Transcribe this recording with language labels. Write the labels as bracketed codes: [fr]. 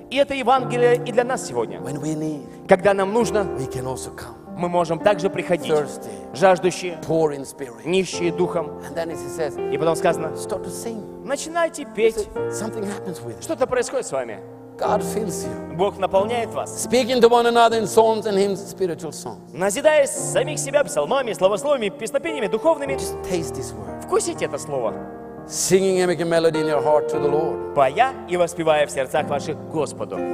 [ru] И это Евангелие и для нас сегодня. [en] When we need, [ru] когда нам нужно, [en] we can also come. [ru] Мы можем также приходить. [en] Thirsty, [ru] жаждущие. [en] Poor in spirit. [ru] Нищие духом. [en] And then it says, [ru] и потом сказано, [en] start to sing. [ru] Начинайте петь. [en] Something happens with it. [ru] Что-то происходит с вами. [en] God fills you. [ru] Бог наполняет вас. [en] Speaking to one another in songs and hymns, spiritual songs. [ru] Назидая самих себя псалмами, словословиями, песнопениями духовными. [en] Just taste this word. [ru] Вкусите это слово. [en] Singing and making melody in your heart to the Lord. [ru] Поя и воспевая в сердцах ваших Господу.